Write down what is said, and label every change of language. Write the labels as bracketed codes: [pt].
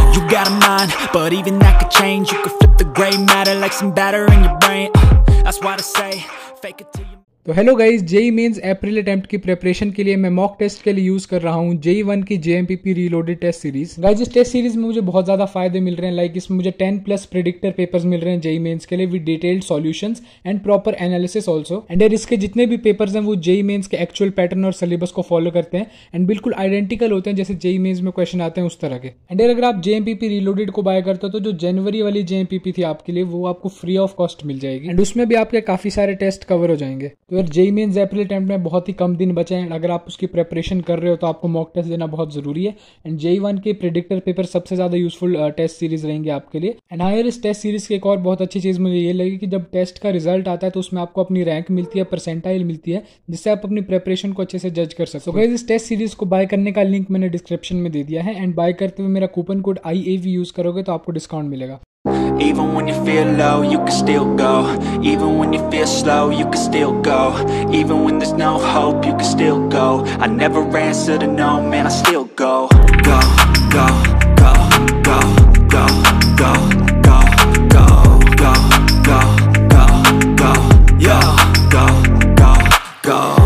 [en] You got a mind, but even that could change. You could flip the gray matter like some batter in your brain. That's what I say, fake it till you. [hi] तो hello guys, JEE mains अप्रैल attempt की preparation के लिए मैं mock test के लिए use कर रहा हूँ जेई वन की जेएमपीपी रीलोडेड टेस्ट सीरीज। गाइस, इस टेस्ट सीरीज में मुझे बहुत ज़्यादा फायदे मिल रहे हैं। लाइक इसमें मुझे 10+ प्रेडिक्टर पेपर्स मिल रहे हैं जेई मेंस के लिए, [en] With detailed solutions and proper analysis also. [hi] And इसके जितने भी पेपर्स हैं वो जेई मेंस के एक्चुअल पैटर्न और सिलेबस को फॉलो करते हैं, एंड बिल्कुल आइडेंटिकल होते हैं जैसे जेई मेंस में क्वेश्चन आते हैं उस तरह के। एंड अगर आप जेएमपीपी रीलोडेड को बाय करते हो तो जो जनवरी वाली जेएमपीपी थी आपके लिए, वो आपको फ्री ऑफ कॉस्ट मिल जाएगी, एंड उसमें भी आपके काफी सारे टेस्ट कवर हो जाएंगे। तो यार, जेई मेंस अप्रैल अटेम्प्ट में बहुत ही कम दिन बचे हैं। अगर आप उसकी प्रेपरेशन कर रहे हो तो आपको मॉक टेस्ट देना बहुत जरूरी है। एंड जेई वन के प्रेडिक्टर पेपर सबसे ज्यादा यूजफुल टेस्ट सीरीज रहेंगे आपके लिए। एंड हाँ यार, इस टेस्ट सीरीज की एक और बहुत अच्छी चीज मुझे ये लगी कि जब टेस्ट का रिजल्ट आता है तो उसमें आपको अपनी रैंक मिलती है, परसेंटाइल मिलती है, जिससे आप अपनी प्रेपरेशन को अच्छे से जज कर सकते हो। गाइस, इस टेस्ट सीरीज को बाय करने का लिंक मैंने डिस्क्रिप्शन में दे दिया है, एंड बाय करते हुए मेरा कूपन कोड IAV यूज करोगे तो आपको डिस्काउंट मिलेगा। [en] Even when you feel low, you can still go. Even when you feel slow, you can still go. Even when there's no hope, you can still go. I never answer to no, man, I still go. Go, go, go, go, go, go, go, go, go, go, go, go, yo, go, go, go.